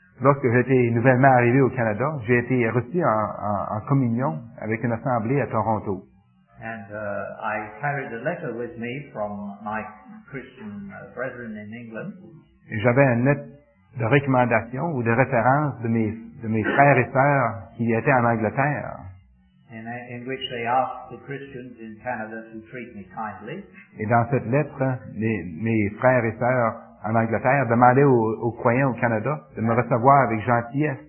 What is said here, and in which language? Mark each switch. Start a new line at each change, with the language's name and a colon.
French: Lorsque j'étais nouvellement arrivé au Canada, j'ai été reçu en communion avec une assemblée à Toronto.
English: And I carried a letter with me from my Christian brethren in England.
French: Et j'avais une lettre de recommandation ou de référence de mes frères et sœurs qui étaient en Angleterre.
English: In which they asked the Christians in Canada to treat me kindly.
French: Et dans cette lettre, mes frères et sœurs en Angleterre demandaient aux croyants au Canada de me recevoir avec gentillesse.